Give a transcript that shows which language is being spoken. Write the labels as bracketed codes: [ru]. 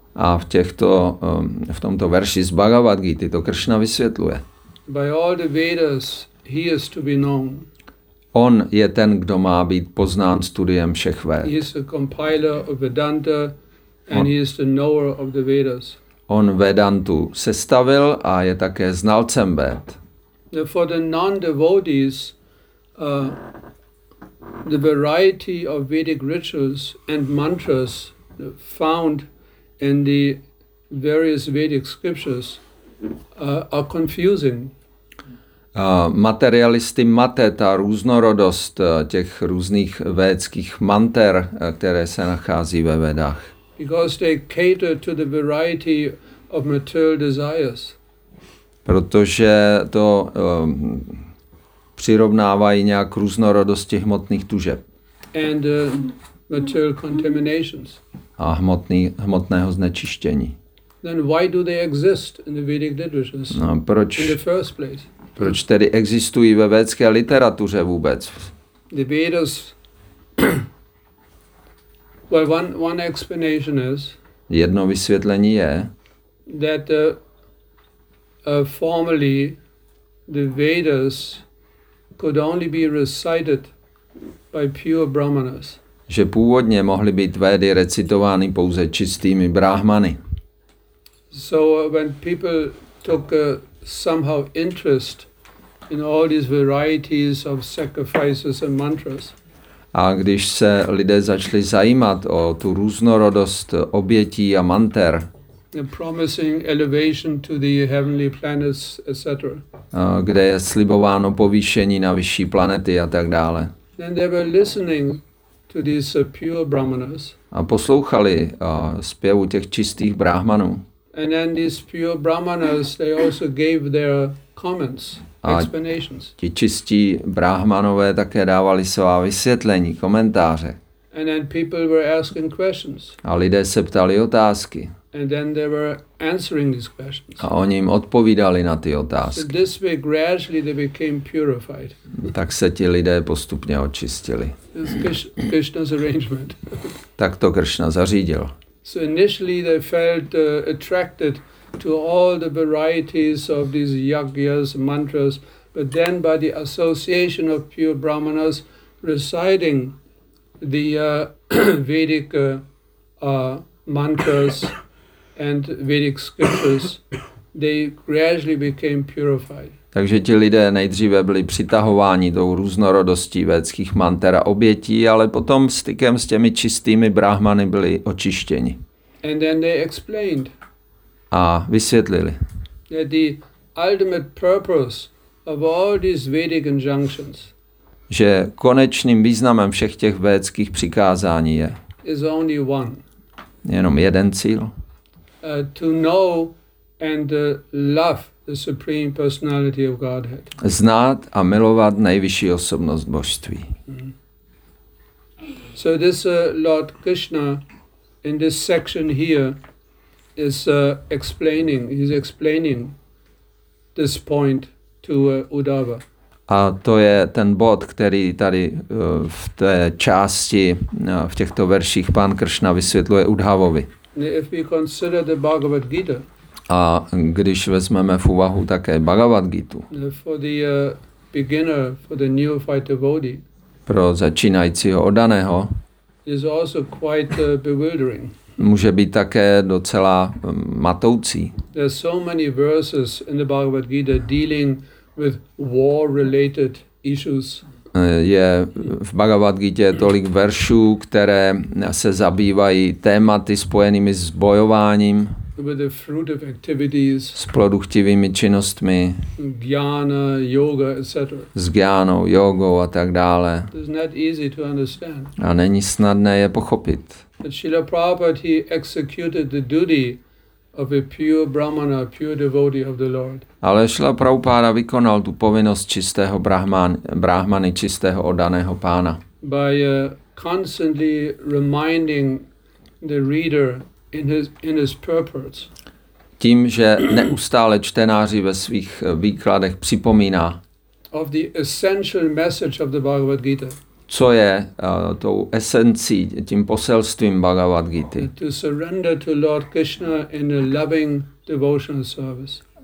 [cs] A v tomto verši z Bhagavad Gita to Krishna vysvětluje. [en] By all the Vedas he is to be known. [cs] On je ten, kdo má být poznán studiem všech věd. [en] He is the compiler of Vedanta and he is the knower of the Vedas. [cs] On Vedantu sestavil a je také znalcem věd. [en] For the non-devotees, the variety of Vedic rituals and mantras found in the various Vedic scriptures are confusing. [cs] Materialisty mate, ta různorodost těch různých védských manter, které se nachází ve Vedách. [en] Because they cater to the variety of material desires. [cs] Protože to přirovnávají nějak různorodosti hmotných tužeb. [en] And material contaminations. [cs] A hmotného znečištění. [en] Then why do they exist in the Vedic literatures? [cs] No, proč? [en] In the first place. [cs] Proč tedy existují ve védské literatuře vůbec? [en] The Vedas. Well, one explanation is. [cs] Jedno vysvětlení je. [en] That formerly the Vedas could only be recited by pure brahmanas. [cs] Že původně mohly být védy recitovány pouze čistými brahmany. [en] So when people took somehow interest in all these varieties of sacrifices and mantras. [cs] A když se lidé začali zajímat o tu různorodost obětí a manter, [en] the promising elevation to the heavenly planets, etc. [cs] Kde je slibováno povýšení na vyšší planety a tak dále. [en] Then they were listening to these pure brahmanas. [cs] A poslouchali zpěvu těch čistých brahmanů. [en] And then these pure brahmanas, they also gave their comments, explanations. [cs] Ti čistí brahmanové také dávali svá vysvětlení, komentáře. [en] And then people were asking questions. [cs] A lidé se ptali otázky. [en] And then they were answering these questions. [cs] A oni jim odpovídali na ty otázky. [en] So this way gradually they became purified. [cs] Tak se ti lidé postupně očistili. [en] This is Krishna's arrangement. [cs] Tak to Krishna zařídil. [en] So initially they felt attracted to all the varieties of these yajñas, mantras, but then by the association of pure brahmanas reciting the Vedic mantras and Vedic scriptures, they gradually became purified. [cs] Takže ti lidé nejdříve byli přitahováni tou různorodostí védských manter a obětí, ale potom stykem s těmi čistými brahmany byli očištěni. [en] And then they explained. [cs] A vysvětlili. [en] That the ultimate purpose of all these Vedic injunctions. [cs] Že konečným významem všech těch védských přikázání je. [en] Is only one. [cs] Jenom jeden cíl. [en] To know and love the supreme personality of Godhead. [cs] Znát a milovat nejvyšší osobnost božství. [en] So this Lord Krishna in this section here is explaining this point to Uddhava. [cs] A to je ten bod, který tady v té části v těchto verších pán Krishna vysvětluje Uddhavovi. [en] If we consider the Bhagavad Gita. [cs] A když vezmeme v úvahu také Bhagavad Gitu. [en] For the beginner, for the neophyte devotee. [cs] Pro začínajícího oddaného. [en] Is also quite bewildering. [cs] Může být také docela matoucí. [en] There are so many verses in the Bhagavad Gita dealing with war-related issues. [cs] Je v Bhagavad Gita tolik veršů, které se zabývají tématy spojenými s bojováním. [en] With the fruit of activities, [cs] s produktivými činnostmi, [en] jnana, yoga, etc. [cs] S jnanou, jogou a tak dále. [en] It's not easy to understand. [cs] A není snadné je pochopit. [en] But Srila Prabhupada, he executed the duty of a pure brahmana, pure devotee of the Lord. [cs] Ale Srila Prabhupada vykonal tu povinnost čistého brahmany, čistého oddaného pána. [en] By constantly reminding the reader in his purports. [cs] Tím, že neustále čtenáři ve svých výkladech připomíná [en] of the essential message of the Bhagavad Gita. [cs] Co je tou esencí, tím poselstvím Bhagavad Gita. [en] To surrender to Lord Krishna in a loving devotional service.